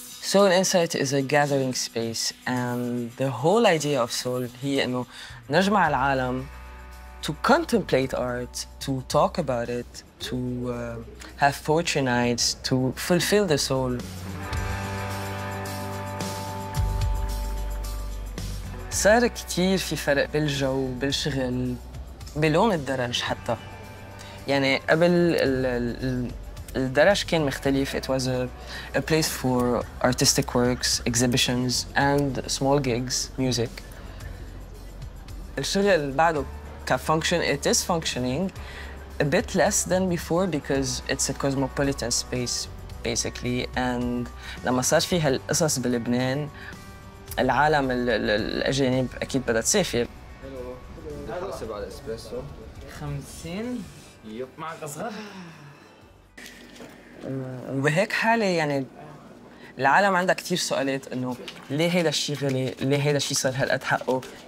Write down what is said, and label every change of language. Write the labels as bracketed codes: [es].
[en] Soul Insight is a gathering space, and the whole idea of Soul [ar] هي إنه نجمع العالم [en] to contemplate art, to talk about it, to have poetry nights, to fulfill the soul. [ar] صار كتير في فرق بالجو بالشغل بلون الدرج حتى يعني قبل الدرج كان مختلف. [en] It was a place for artistic works, exhibitions, and small gigs, music. [ar] الشغل بعده كفانكشن, [en] it is functioning a bit less than before because it's a cosmopolitan space, basically. [ar] And لما صار في هالقصص بلبنان, العالم الأجانب أكيد بدها تسافر. حلو. حسب على الإسبريسو. 50؟ يب. معك أصغر؟ وبهيك حالة يعني العالم عندها كتير سؤالات إنه ليه هيدا الشيء غالي؟ ليه هيدا الشيء صار هالقد حقه؟ أوكي.